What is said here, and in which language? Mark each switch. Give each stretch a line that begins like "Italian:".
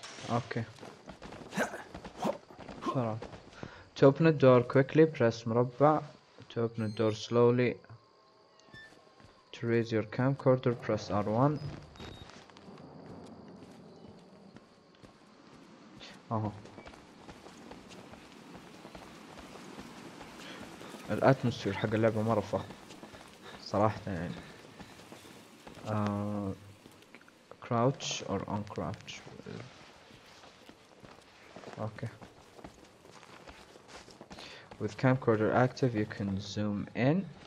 Arabic: اوكي خلاص
English: to open the door quickly press
Arabic: مربع
English: to open the door slowly to raise your camcorder press R1.
Arabic: اهو الاتموسفير حق اللعبة مرة فخم صراحة، يعني
English: crouch or uncrouch. Okay With camcorder active, you can zoom in.